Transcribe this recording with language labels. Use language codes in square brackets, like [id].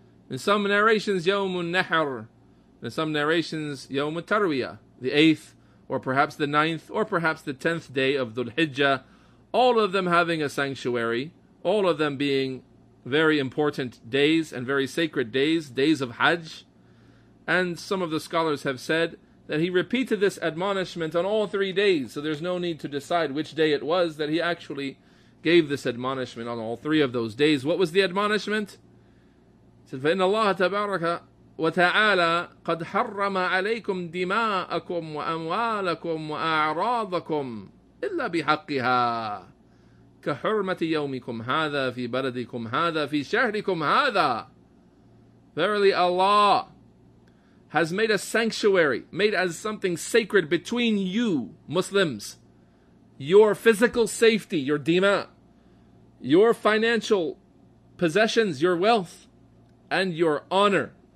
[en] In some narrations, [ar] يَوْمُ النَّحْرِ. [en] In some narrations, Yawm al-Tarwiyah, the 8th, or perhaps the 9th, or perhaps the 10th day of Dhul Hijjah, all of them having a sanctuary, all of them being very important days and very sacred days, days of Hajj. And some of the scholars have said that he repeated this admonishment on all 3 days, so there's no need to decide which day it was that he actually gave this admonishment on all 3 of those days. What was the admonishment? He said, [ar] فَإِنَّ اللَّهَ تَبَارَكَ وتعالى قد حرم عليكم دماءكم وأموالكم وأعراضكم إلا بحقها كحرمة يومكم هذا في بلدكم هذا في شهركم هذا. [en] Verily Allah has made a sanctuary, made as something sacred between you Muslims, your physical safety, your dima, your financial possessions, your wealth, and your honor.